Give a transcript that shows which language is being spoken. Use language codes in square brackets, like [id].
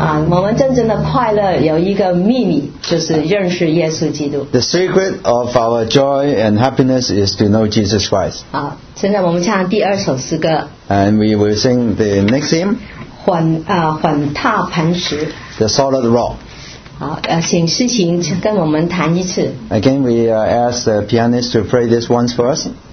[zh] 我们真正的快乐有一个秘密，就是认识耶稣基督。 [en] The secret of our joy and happiness is to know Jesus Christ. [zh] 好，现在我们唱第二首诗歌。 [en] And we will sing the next hymn. [zh] 缓踏磐石。 [en] The solid rock. [zh] 好，请诗琴跟我们弹一次。 [en] Again, we ask the pianist to play this once for us.